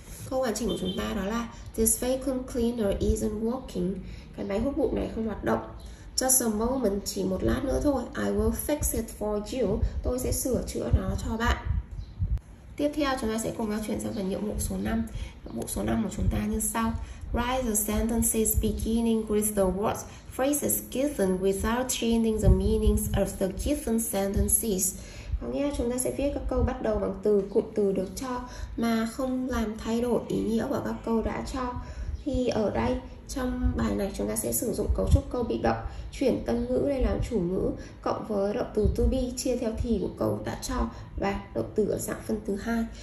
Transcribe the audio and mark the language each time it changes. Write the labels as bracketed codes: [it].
[vi] Câu hoàn chỉnh của chúng ta đó là [en] this vacuum cleaner isn't working. [vi] Cái máy hút bụi này không hoạt động. [en] Just a moment, [vi] chỉ một lát nữa thôi. [en] I will fix it for you. [vi] Tôi sẽ sửa chữa nó cho bạn. Tiếp theo chúng ta sẽ cùng nhau chuyển sang phần nhiệm vụ số 5. Nhiệm vụ số 5 của chúng ta như sau. [en] Write the sentences beginning with the words phrases given without changing the meanings of the given sentences. [vi] Có nghĩa chúng ta sẽ viết các câu bắt đầu bằng từ, cụm từ được cho mà không làm thay đổi ý nghĩa của các câu đã cho. Thì ở đây Trong bài này chúng ta sẽ sử dụng cấu trúc câu bị động, chuyển tân ngữ lên làm chủ ngữ, cộng với động từ to be chia theo thì của câu đã cho và động từ ở dạng phân thứ hai.